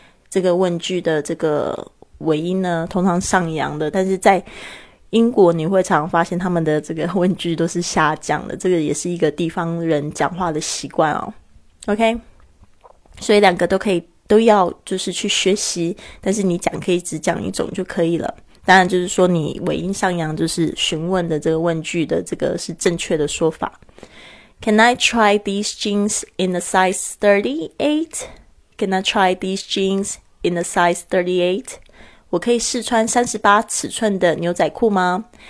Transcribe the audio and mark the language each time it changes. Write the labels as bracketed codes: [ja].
[zh] 这个问句的这个尾音呢通常上扬的，但是在英国你会常发现他们的这个问句都是下降的，这个也是一个地方人讲话的习惯哦。 OK， 所以两个都可以，都要就是去学习，但是你讲可以只讲一种就可以了。当然就是说你尾音上扬就是询问的这个问句的这个是正确的说法。 [en] Can I try these jeans in a size 38? Can I try these jeans in a size 38? [zh] 我可以试穿38尺寸的牛仔裤吗？